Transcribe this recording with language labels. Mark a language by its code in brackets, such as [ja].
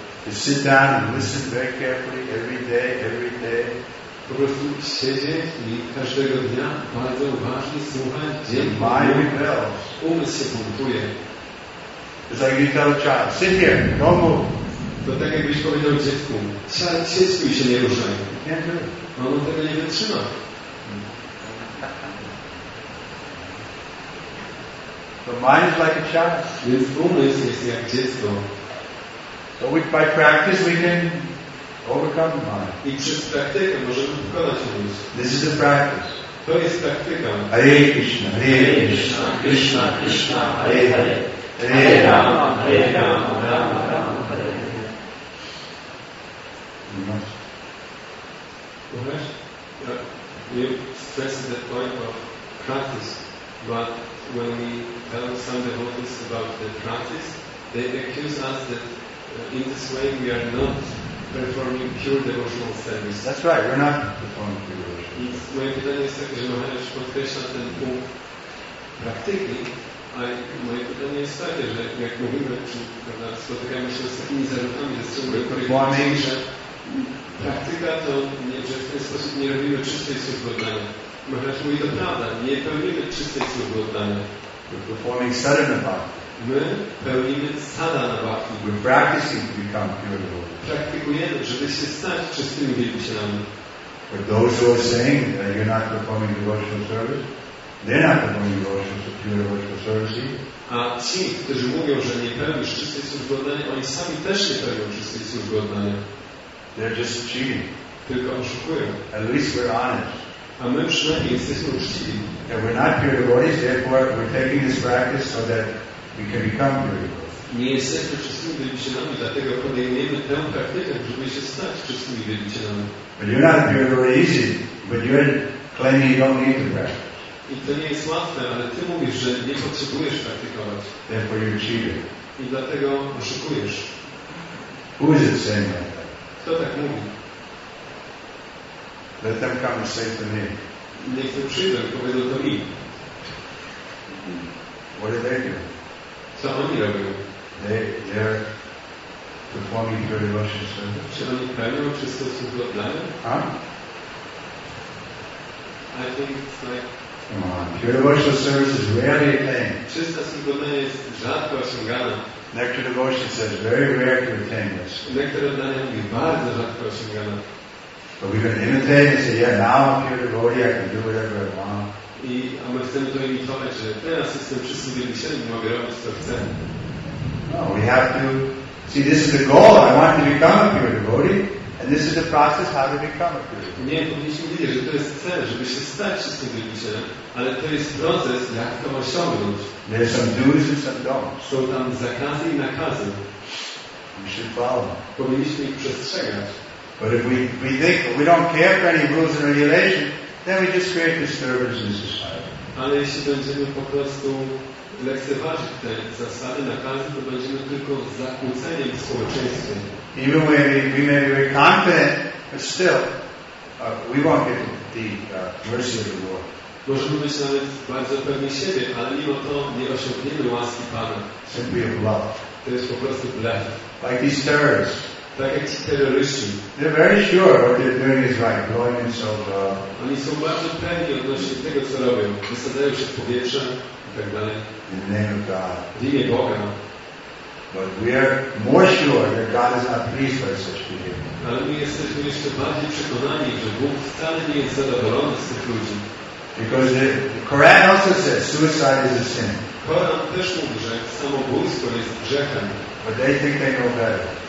[en] To sit down and listen very carefully every day, every day. [pl] Po prostu siedzieć i każdego dnia bardzo uważnie słuchać dzień. [en] Mind rebels. [pl] Umysł się pompuje. [en] It's like you tell a child, sit here, don't move. [pl] To tak jakbyś powiedział dziecku, siedź tu i się nie ruszaj. [en] You can't do it. [pl] On tego nie wytrzyma. [en] The mind is like a child. [pl] Więc umysł jest jak dziecko. [en] So we, by practice we can overcome the mind. [pl] I przez praktykę możemy pokonać umysł. [en] This is a practice. [pl] To jest praktyka. [sa] Hare Krishna, Hare Krishna, Krishna Krishna, Hare Hare. Hare Rama, Hare Rama, Rama Rama, Hare Hare. Mm-hmm. [en] You stressed the point of practice, but when we tell some devotees about the practice, they accuse us that in this way, we are not performing pure devotional service. That's right, we're not performing pure devotional service. [pl] Moje pytanie jest takie, że Maharaj podkreśla ten punkt praktyki, a moje pytanie jest takie, że jak mówimy, czy spotykamy się z takimi zarzutami ze strony korekcji, że praktyka to, że w ten sposób nie robimy czystej służby oddania. Maharaj mówi, to prawda, nie pełnimy czystej służby oddania. [en] We're performing sadhana bhakti. [pl] My pełnimy sadhana bhakti. [en] We're practicing to become pure devotees. [pl] Praktykujemy, żeby się stać czystymi wielbicielami. [en] But those who are saying that you're not performing devotional service, they're not performing devotional, pure devotional service. [pl] A ci, którzy mówią, że nie pełnisz czystej służby oddania, oni sami też nie pełnią czystej służby oddania. [en] They're just cheating. [pl] Tylko oszukują. [en] At least we're honest. [pl] A my przynajmniej jesteśmy uczciwi. [en] And we're not pure devotees, therefore we're taking this practice so that we can become pure [pl] devotees. Nie jesteśmy czystymi wielbicielami, dlatego podejmujemy tę praktykę, żeby się stać czystymi wielbicielami. [en] But you're not pure devotees, but you're claiming you don't need to practice. [pl] I to nie jest łatwe, ale ty mówisz, że nie potrzebujesz praktykować. [en] Therefore you're cheating. [pl] I dlatego oszukujesz. [en] Who is it saying like that? [pl] Kto tak mówi? [en] Let them come and say to me. [pl] Niech to przyjdą, powiedzą to mi. [en] What are they doing? [pl] Co oni robią? [en] They are performing pure devotional service. [pl] Czy oni pełnią czysto służbę oddania? Huh? [en] I think it's like... Come on, pure devotional service is rarely a thing. [pl] Czysta służbę oddania jest rzadko osiągana. [en] Nectar devotion says very rare to attain this. [pl] Nectar oddania jest bardzo rzadko osiągana. [en] So we're going to imitate and say, yeah, now I'm pure devotee, I can do whatever I want. [pl] I, a my chcemy to imitować, że teraz jestem wszyscy wielbicielem i mogę robić co chcę. [en] No, we have to. See, this is the goal. I want to become a pure devotee. And this is the process how to become a Guru. [pl] Nie, powinniśmy wiedzieć, że to jest cel, żeby się stać czystym wielbicielem, ale to jest proces, jak to osiągnąć. [en] There are some do's and some don'ts. [pl] Są tam zakazy i nakazy. [en] We should follow. [pl] Powinniśmy ich przestrzegać. [en] But if we think we don't care for any rules and regulations, then we just create disturbance in society. [pl] Ale jeśli będziemy po prostu lekceważyć te zasady, nakazy, to będziemy tylko zakłóceniem społeczeństwa. [en] Even when we may be confident, but still, we won't get the mercy of the Lord. [pl] Możemy być nawet bardzo pewni siebie, ale mimo to nie osiągniemy łaski Pana. [en] Simply a bluff. [pl] To jest po prostu blef. [en] Like these terrorists. [pl] Tak jak ci terroryści. [en] They're very sure what they're doing is right, blowing themselves up. [pl] Oni są bardzo pewni odnośnie tego, co robią. Wysadzają się w powietrze i tak dalej. [en] In the name of God. [pl] W imię Boga. [en] But we are more sure that God is not pleased by such behavior. Because the Quran also says suicide is a sin. But they think they know better.